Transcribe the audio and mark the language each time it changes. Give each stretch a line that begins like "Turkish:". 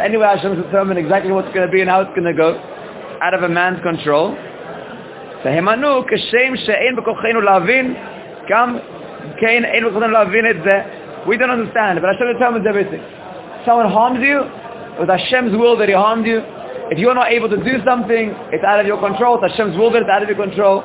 English: Anyway, Hashem has determined exactly what's going to be and how it's going to go out of a man's control.
Hebrew: והם ענו כשם שאין בכוחנו להבין גם כן אין בכוחנו להבין את זה.
English: We don't understand, but Hashem determines everything. Someone harms you, it was Hashem's will that He harmed you. If you are not able to do something, it's out of your control. It's Hashem's will that it's out of your control.